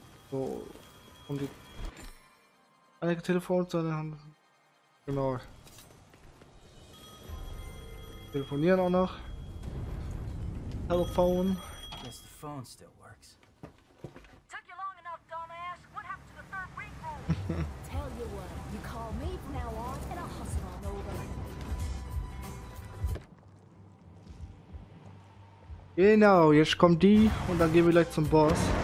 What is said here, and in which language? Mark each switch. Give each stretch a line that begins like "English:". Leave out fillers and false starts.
German: So, um die eine Telefon zu haben. Genau. Telefonieren auch noch. Telefon.
English: Guess the phone still works. Took you long enough, dumbass. What happened to the third ring? Tell you what, you call me from now on and I'll hustle on over.
German: Genau, jetzt kommt die und dann gehen wir gleich zum Boss.